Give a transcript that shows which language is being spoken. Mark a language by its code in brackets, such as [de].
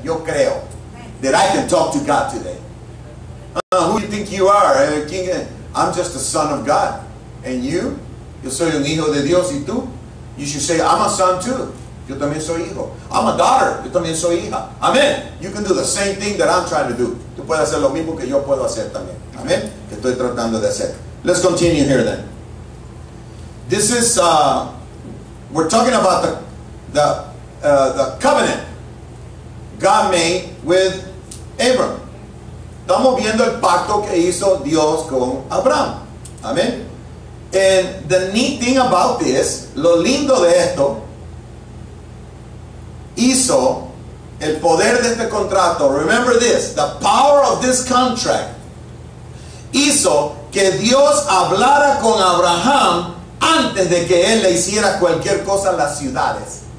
[es] Yo creo [en] that I can talk to God today. Who do you think you are? King, I'm just a son of God. And you? [es] Yo soy un hijo de Dios. ¿Y tú? [en] You should say, I'm a son too. [es] Yo también soy hijo. [en] I'm a daughter. [es] Yo también soy hija. Amen. [en] You can do the same thing that I'm trying to do. [es] Tú puedes hacer lo mismo que yo puedo hacer también. Amen. Que estoy tratando de hacer. [en] Let's continue here then. This is, we're talking about the covenant God made with Abram. [es] Estamos viendo el pacto que hizo Dios con Abraham. Amen. [en] And the neat thing about this, [es] lo lindo de esto, hizo el poder de este contrato. [en] Remember this, the power of this contract [es] hizo que Dios hablara con Abraham antes de que él le hiciera cualquier cosa a las ciudades.